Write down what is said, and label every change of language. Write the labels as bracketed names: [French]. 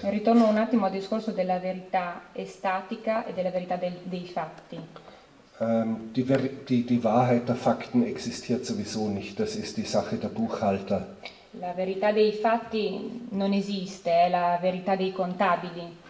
[Italian] Ritorno un attimo al discorso della verità estatica e della verità dei fatti. [German] Die Wahrheit der Fakten existiert sowieso nicht, das ist die Sache der Buchhalter. [Italian] La verità dei fatti non esiste, è la verità dei contabili.